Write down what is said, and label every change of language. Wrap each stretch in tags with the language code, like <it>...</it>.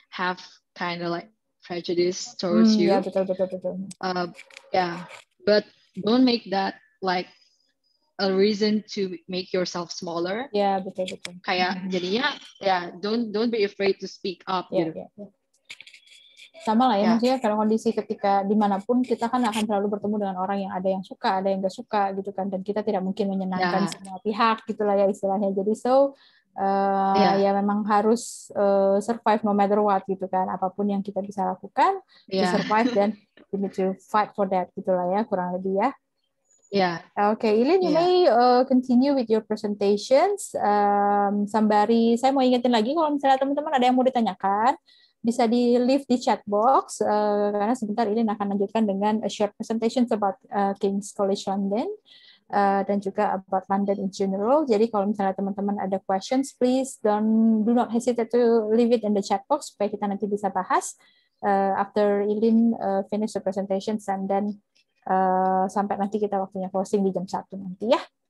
<en>have kind of like prejudice towards you.</en> <id>Yeah, betul.</id> <en>Yeah, but don't make that like a reason to make yourself smaller.</en> <id>Yeah, betul. Kayak jadinya,</id> <en>yeah, don't be afraid to speak up.</en> <id>Yeah, sama lah ya, yeah. maksudnya kalau kondisi ketika dimanapun kita kan akan selalu bertemu dengan orang yang ada yang suka, ada yang gak suka gitu kan, dan kita tidak mungkin menyenangkan yeah. semua pihak gitulah ya istilahnya. Jadi yeah. ya memang harus survive</id> <en>no matter what</en> <id>gitu kan, apapun yang kita bisa lakukan</id> <en>yeah. to survive dan we need to fight for that</en> <id>gitulah ya kurang lebih ya.</id> <en>Yeah. Okay, Ilin, you may continue with your presentations.</en> <id>Sambari saya mau ingetin lagi kalau misalnya teman-teman ada yang mau ditanyakan. Bisa di leave di chat box karena sebentar Ilin akan lanjutkan dengan</id> <en>a short presentation about King's College London</en> <id>dan juga</id> <en>about London in general.</en> <id>Jadi kalau misalnya teman-teman ada questions,</id> <en>please do not hesitate to leave it in the chat box</en> <id>supaya kita nanti bisa bahas</id> <en>after Ilin finish the presentations and then</en> <id>sampai nanti kita waktunya closing di jam 1 nanti ya.</id>